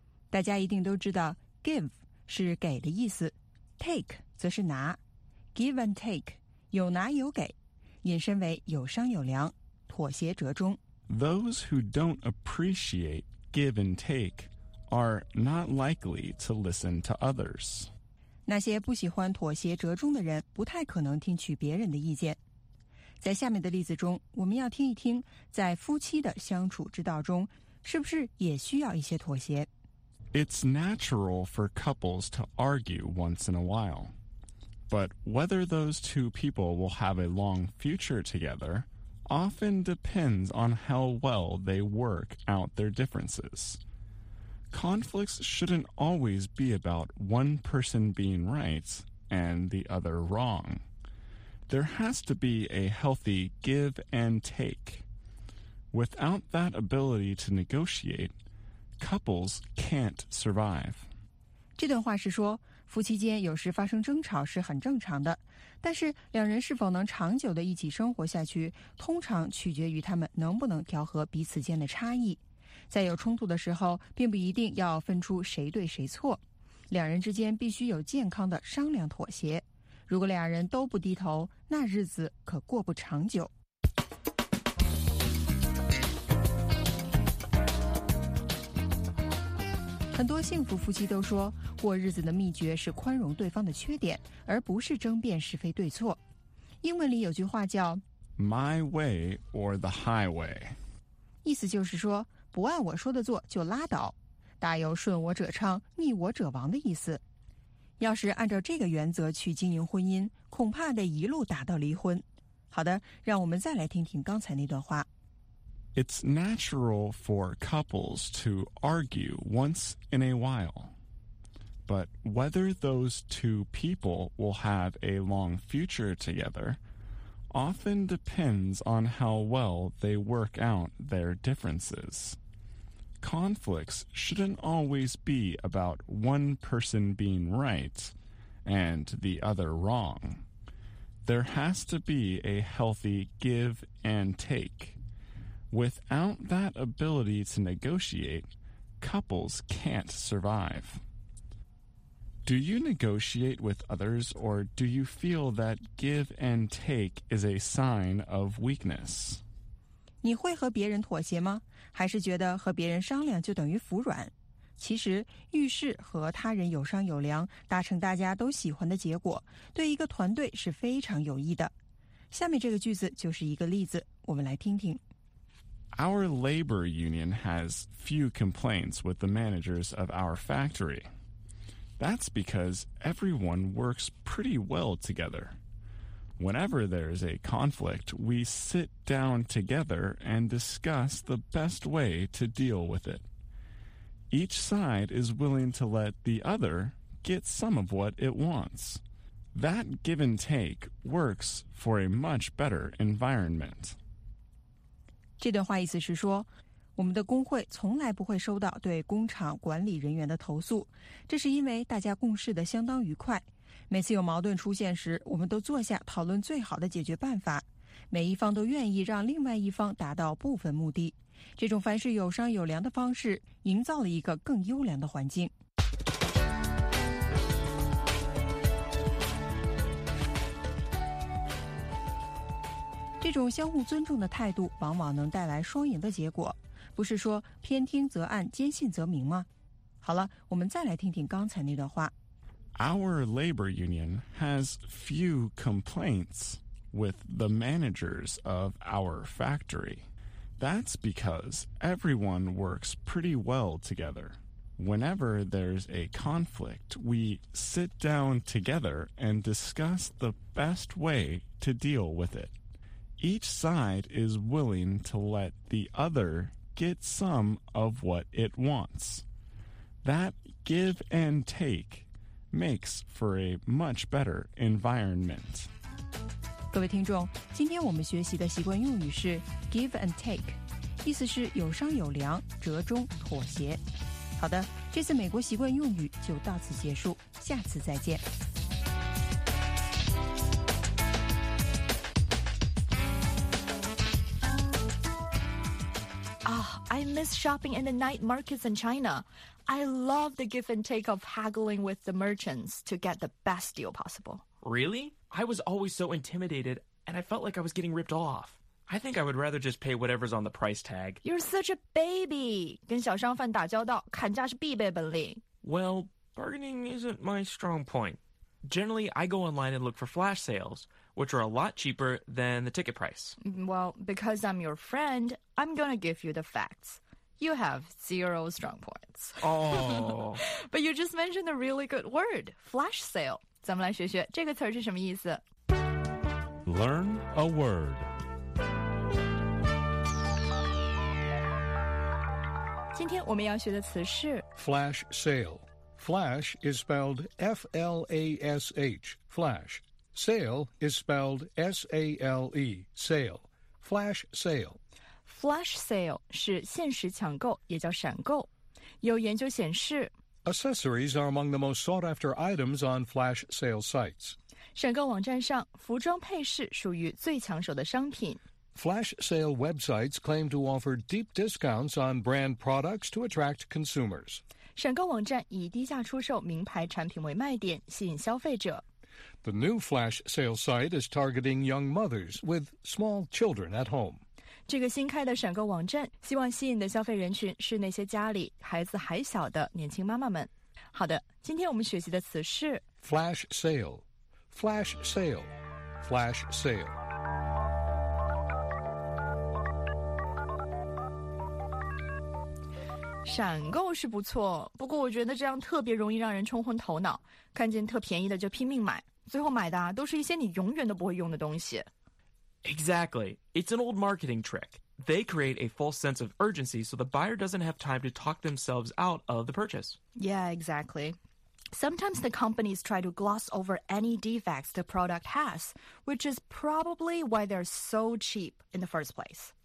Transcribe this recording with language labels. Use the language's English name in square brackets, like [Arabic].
[Chinese] 大家一定都知道 give 是给的意思 take 则是拿 Give and take, 有拿有给引申为有商有量妥协折中 [English] Those who don't appreciate give and take are not likely to listen to others. [Chinese] 那些不喜欢妥协折中的人不太可能听取别人的意见在下面的例子中我们要听一听在夫妻的相处之道中是不是也需要一些妥协 [English] It's natural for couples to argue once in a while. But whether those two people will have a long future together often depends on how well they work out their differences. Conflicts shouldn't always be about one person being right and the other wrong. There has to be a healthy give and take. Without that ability to negotiate, couples can't survive. [Chinese] 这段话是说，夫妻间有时发生争吵是很正常的，但是两人是否能长久的一起生活下去，通常取决于他们能不能调和彼此间的差异。在有冲突的时候，并不一定要分出谁对谁错，两人之间必须有健康的商量妥协。如果两人都不低头，那日子可过不长久。很多幸福夫妻都说，过日子的秘诀是宽容对方的缺点，而不是争辩是非对错。英文里有句话叫 [English] My way or the highway， [Chinese] 意思就是说不按我说的做就拉倒，大有顺我者昌逆我者亡的意思。要是按照这个原则去经营婚姻，恐怕得一路打到离婚。好的，让我们再来听听刚才那段话。 [English] It's natural for couples to argue once in a while. But whether those two people will have a long future together often depends on how well they work out their differences. Conflicts shouldn't always be about one person being right and the other wrong. There has to be a healthy give and take. Without that ability to negotiate, couples can't survive. Do you negotiate with others, or do you feel that give and take is a sign of weakness? [Chinese] 你会和别人妥协吗？还是觉得和别人商量就等于服软？其实，遇事和他人有商有量，达成大家都喜欢的结果，对一个团队是非常有益的。下面这个句子就是一个例子，我们来听听。 [English] Our labor union has few complaints with the managers of our factory. That's because everyone works pretty well together. Whenever there's a conflict, we sit down together and discuss the best way to deal with it. Each side is willing to let the other get some of what it wants. That give and take works for a much better environment. [Chinese] 这段话意思是说，我们的工会从来不会收到对工厂管理人员的投诉，这是因为大家共事的相当愉快。每次有矛盾出现时，我们都坐下讨论最好的解决办法，每一方都愿意让另外一方达到部分目的。这种凡事有商有量的方式，营造了一个更优良的环境。这种相互尊重的态度往往能带来双赢的结果，不是说偏听则暗，坚信则明吗？好了，我们再来听听刚才那段话。 Our labor union has few complaints with the managers of our factory. That's because everyone works pretty well together. Whenever there's a conflict, we sit down together and discuss the best way to deal with it. Each side is willing to let the other get some of what it wants. That give and take makes for a much better environment. 各位听众，今天我们学习的习惯用语是 give and take， 意思是有商有量，折中妥协。好的，这次美国习惯用语就到此结束，下次再见。 [English] I miss shopping in the night markets in China. I love the give and take of haggling with the merchants to get the best deal possible. Really? I was always so intimidated, and I felt like I was getting ripped off. I think I would rather just pay whatever's on the price tag. You're such a baby! [Chinese] 跟小商贩打交道，砍价是必备本领。 [English] Well, bargaining isn't my strong point. Generally, I go online and look for flash sales,which are a lot cheaper than the ticket price. Well, because I'm your friend, I'm going to give you the facts. You have zero strong points. Oh. But you just mentioned a really good word, flash sale. [Chinese] 咱们来学学这个词是什么意思。 [English] Learn a word. [Chinese] 今天我们要学的词是 [English] flash sale. Flash is spelled F-L-A-S-H, flash. Sale is spelled S-A-L-E, sale, flash sale. [Chinese] Flash sale 是限时抢购，也叫闪购。有研究显示 [English] ，Accessories are among the most sought after items on flash sale sites. [Chinese] 闪购网站上，服装配饰属于最抢手的商品。 [English] flash sale websites claim to offer deep discounts on brand products to attract consumers. [Chinese] 闪购网站以低价出售名牌产品为卖点，吸引消费者。 [English] The new flash sale site is targeting young mothers with small children at home. [Chinese] 这个新开的闪购网站希望吸引的消费人群是那些家里孩子还小的年轻妈妈们。好的，今天我们学习的词是 [English] flash sale, flash sale, flash sale. [Chinese] 闪购是不错，不过我觉得这样特别容易让人冲昏头脑，看见特便宜的就拼命买，最后买的都是一些你永远都不会用的东西。 [English] Exactly. It's an old marketing trick. They create a false sense of urgency so the buyer doesn't have time to talk themselves out of the purchase. Yeah, exactly. Sometimes the companies try to gloss over any defects the product has, which is probably why they're so cheap in the first place.